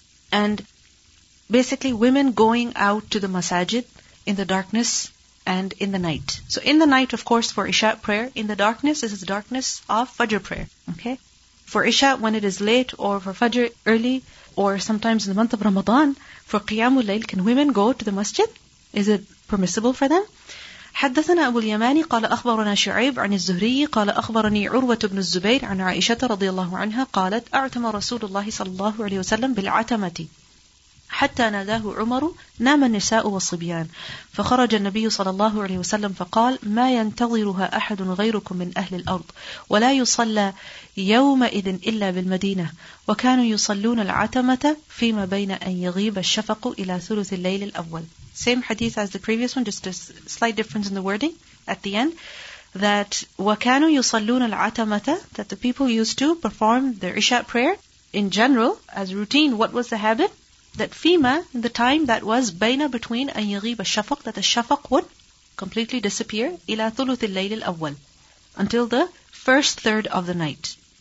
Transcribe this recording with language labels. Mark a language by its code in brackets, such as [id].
[en] And basically women going out to the masajid in the darkness and in the night. So in the night, of course, for Isha prayer, in the darkness, this is the darkness of Fajr prayer. Okay? For Isha, when it is late, or for Fajr, early, or sometimes in the month of Ramadan, for Qiyamul Layl, can women go to the masjid? Is it permissible for them? [ar] حدثنا أبو اليماني قال أخبرنا شعيب عن الزهري قال أخبرني عروة بن الزبير عن عائشة رضي الله عنها قالت أعتم رسول الله صلى الله عليه وسلم بالعتمة حتى ناداه عمر نام النساء والصبيان فخرج النبي صلى الله عليه وسلم فقال ما ينتظرها أحد غيركم من أهل الأرض ولا يصلى يومئذ إلا بالمدينة وكانوا يصلون العتمة فيما بين أن يغيب الشفق إلى ثلث الليل الأول. [en] Same hadith as the previous one, just a slight difference in the wording at the end, that [ar] وَكَانُوا يُصَلُّونَ الْعَتَمَةَ, [en] that the people used to perform their Isha prayer in general as routine. What was the habit? That [ar] fima, [en] in the time that was [ar] baina, [en] between [ar] an yaghib al-shafaq, [en] that the shafaq would completely disappear, [ar] ila thuluth al-layl al-awwal, [en] until the first third of the night.